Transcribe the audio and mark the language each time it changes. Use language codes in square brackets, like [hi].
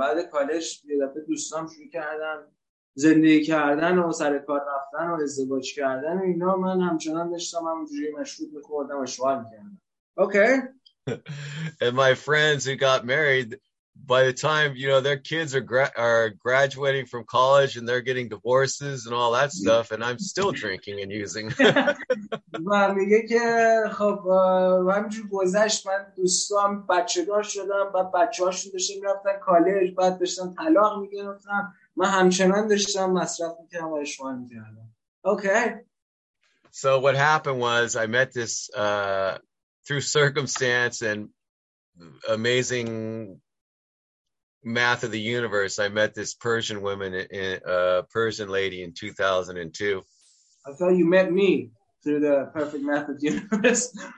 [fa] بعد کالج یه دفعه دوستام شروع کردن زندگی کردن و سر کار رفتن و ازدواج کردن و اینا، من همچنان داشتم همونجوری مشروب می‌خوردم و شوال می‌کردم. [en] Okay. And my friends who got married, by the time, you know, their kids are graduating from college and they're getting divorces and all that stuff, and I'm still drinking and using. [fa] و میگه که خب همینجور گذشت، من دوستام بچه دار شدم، بعد بچه هاشون داشتم رفتن کالج، بعد داشتم طلاق میگرفتم، من همچنان داشتم مصرف میکردم و اشمال میکردم. [en] Okay. So what happened was I met this through circumstance and amazing math of the universe, I met this Persian woman, Persian lady in 2002. I thought you met me through the perfect math of the universe.